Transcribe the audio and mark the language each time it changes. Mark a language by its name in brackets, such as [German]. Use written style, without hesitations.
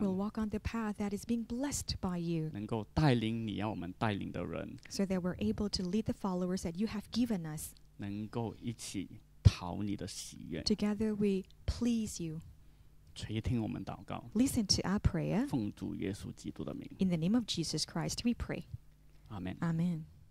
[English] We'll walk on the path that is being blessed by you. [Chinese] 能够带领你要我们带领的人。 [English] So that we're able to lead the followers that you have given us. [Chinese] 能够一起讨你的喜悦。 [English] Together we please you. [Chinese] 垂听我们祷告。 [English] Listen to our prayer. [Chinese] 奉主耶稣基督的名。 [English] In the name of Jesus Christ, we pray. Amen. Amen.